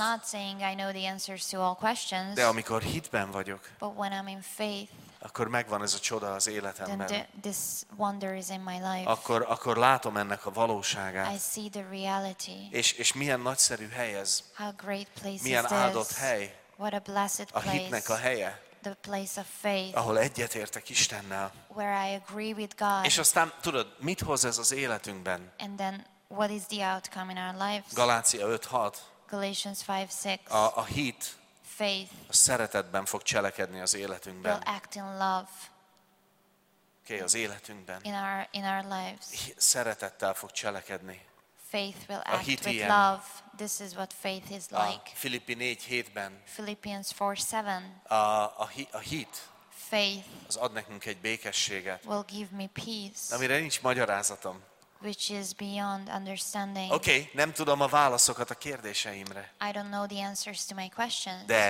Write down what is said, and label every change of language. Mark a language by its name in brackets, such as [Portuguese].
[English] I'm not saying I know the answers to all questions. [Hungarian] De amikor hitben vagyok, [English] but when I'm in faith, [Hungarian] akkor megvan ez a csoda az életemben. [English] Then this wonder is in my life. [Hungarian] Akkor látom ennek a valóságát. [English] I see the reality. [Hungarian] És milyen nagyszerű hely ez. [English] How great place [Hungarian] milyen [English] is this. [Hungarian] Milyen áldott hely. [English] What a blessed place. [Hungarian] A hitnek a helye. [English] The place of faith. [Hungarian] Ahol egyetértek Istennel. [English] Where I agree with God. [Hungarian] És aztán tudod, mit hoz ez az életünkben? [English] And then what is the outcome in our lives? [Hungarian] Galácia 5:6. [English] Galatians 5:6. [Hungarian] A hit. [English] Faith. [Hungarian] A szeretetben fog cselekedni az életünkben. [English] Will act in love. [Hungarian] Okay, az életünkben. [English] In our lives. [Hungarian] Szeretettel fog cselekedni. [English] Faith will act [Hungarian] a hit [English] with [Hungarian] ilyen. [English] Love. This is what faith is like. [Hungarian] Filippi 4:7. [English] Philippians 4:7. [Hungarian] A hit. [English] Faith. [Hungarian] Az ad nekünk egy békességet. [English] Will give me peace. [Hungarian] Amire nincs magyarázatom. [English] Which is beyond understanding. [Hungarian] Okay, nem tudom a válaszokat a kérdéseimre. [English] I don't know the answers to my questions.